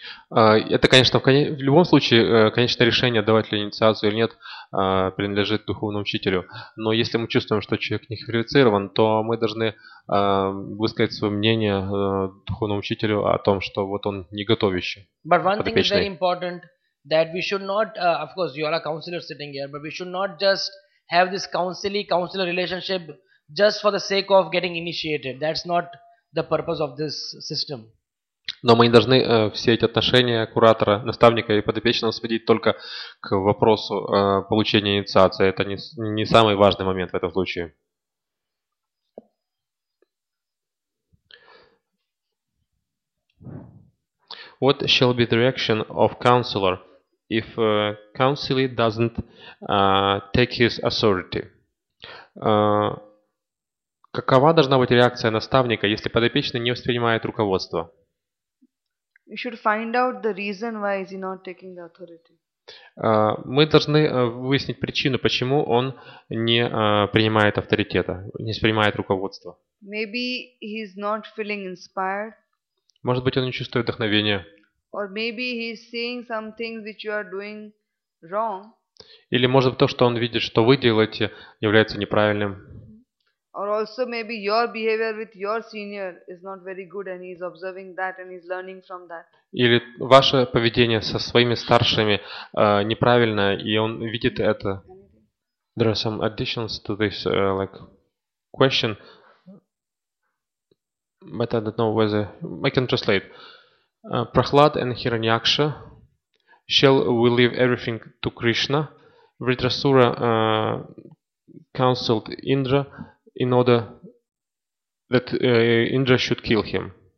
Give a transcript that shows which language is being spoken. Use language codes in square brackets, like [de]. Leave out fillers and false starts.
[ru] Это, конечно, в любом случае, конечное решение, давать ли инициацию или нет, принадлежит духовному учителю. Но если мы чувствуем, что человек не квалифицирован, то мы должны высказать свое мнение духовному учителю о том, что вот он не готов еще. [en] But one thing is very important, that we should not, of course, you are a counselor sitting here, but we should not just have this counselee-counselor relationship just for the sake of getting initiated. That's not the purpose of this system. [ru] Но мы не должны все эти отношения куратора, наставника и подопечного сводить только к вопросу получения инициации. Это не самый важный момент в этом случае. [en] What shall be the reaction of counselor if counselee doesn't take his authority? [ru] Какова должна быть реакция наставника, если подопечный не воспринимает руководство? [en] You should find out the reason why is he not taking the authority. [ru] Мы должны выяснить причину, почему он не принимает авторитета, не воспринимает руководство. [en] Maybe he is not feeling inspired. [ru] Может быть, он не чувствует вдохновения. [en] Or maybe he is seeing some things which you are doing wrong. [ru] Или может быть то, что он видит, что вы делаете, является неправильным. [en] Or also maybe your behavior with your senior is not very good, and he is observing that and he is learning from that. [ru] Или ваше поведение со своими старшими неправильно, и он видит это. [en] There are some additions to this question, but I don't know whether I can translate. Prahlad and Hiranyaksha, shall we leave everything to Krishna? Vritrasura counseled Indra in order that Indra should kill him.